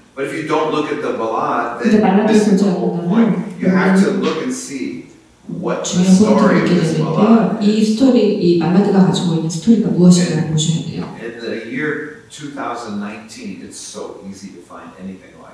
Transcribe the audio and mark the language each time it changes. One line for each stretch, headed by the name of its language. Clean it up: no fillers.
English: But if you don't look at the ballad, then this is the whole point. You have to look and see what the story of this ballad is.
Korean: 이 스토리, 이 발라드가 가지고 있는 스토리가 무엇인가 보셔야 돼요.
English: In the year 2019, it's so easy to find anything.